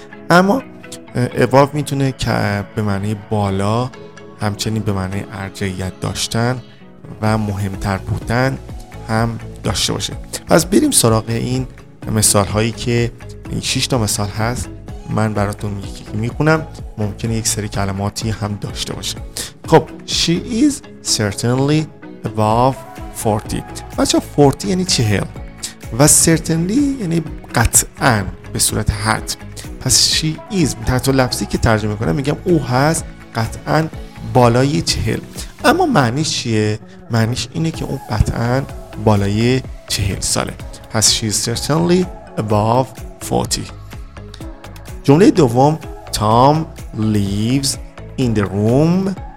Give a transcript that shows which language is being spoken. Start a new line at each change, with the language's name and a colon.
Persian: اما اباب میتونه که به معنی بالا، همچنین به معنی ارجحیت داشتن و مهمتر بودن هم داشته باشه. پس بریم سراغ این مثال هایی که 6 تا مثال هست. من براتون یکی میخونم، ممکنه یک سری کلماتی هم داشته باشه.
English: خب She is certainly above 40.
Persian: بچه 40 یعنی 40 و certainly یعنی قطعاً، به صورت حتم. پس
English: She is،
Persian: تحت لفظی که ترجمه کنم میگم او هست قطعاً بالای 40. اما معنیش چیه؟ معنیش اینه که اون قطعاً بالای 40 ساله. پس
English: She is certainly above 40.
Persian: جمله دوم،
English: Tom lives in the room.